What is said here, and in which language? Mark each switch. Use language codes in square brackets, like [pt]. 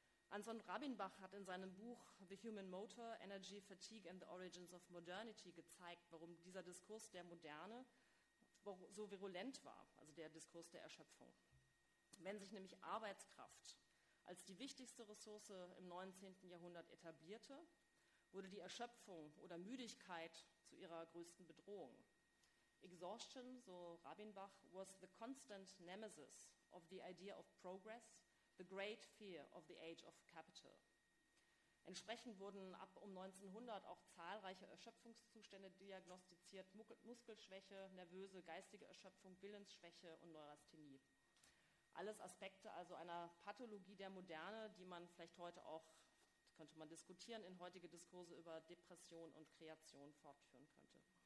[de] Anson Rabinbach hat in seinem Buch The Human Motor, Energy, Fatigue and the Origins of Modernity gezeigt, warum dieser Diskurs der Moderne so virulent war, also der Diskurs der Erschöpfung. Wenn sich nämlich Arbeitskraft als die wichtigste Ressource im 19. Jahrhundert etablierte, wurde die Erschöpfung oder Müdigkeit zu ihrer größten Bedrohung. [en] Exhaustion, so Rabinbach, was the constant nemesis of the idea of progress, the great fear of the age of capital. [de] Entsprechend wurden ab um 1900 auch zahlreiche Erschöpfungszustände diagnostiziert, Muskelschwäche, nervöse, geistige Erschöpfung, Willensschwäche und Neurasthenie. Alles Aspekte also einer Pathologie der Moderne, die man vielleicht heute auch, könnte man diskutieren, in heutige Diskurse über Depression und Kreation fortführen könnte.